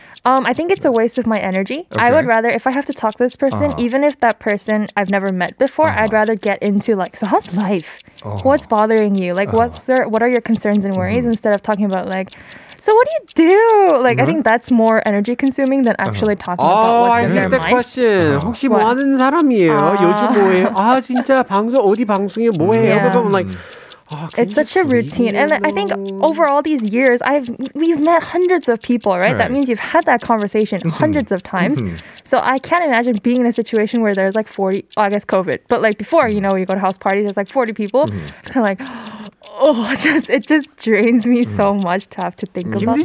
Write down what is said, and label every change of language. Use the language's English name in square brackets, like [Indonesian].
[English] I think it's a waste of my energy. Okay. I would rather, if I have to talk to this person, even if that person I've never met before, I'd rather get into like, so how's life? What's bothering you? Like, what are your concerns and worries instead of talking about like, so what do you do? Like, I think that's more energy consuming than actually talking about what's I in your mind. Oh, I hate that question. [Korean] 혹시 뭐 하는 사람이에요? 요즘 뭐 해요? 아, 진짜 방송 어디 방송에 뭐 해요? [English] 그러면 like... Oh, it's such a routine. And I think over all these years, we've met hundreds of people, right? That means you've had that conversation hundreds of times. So I can't imagine being in a situation where there's like 40, well, I guess COVID, but like before, you know, you go to house parties, there's like 40 people. Kind of like, oh, it just drains me so much to have to think about that.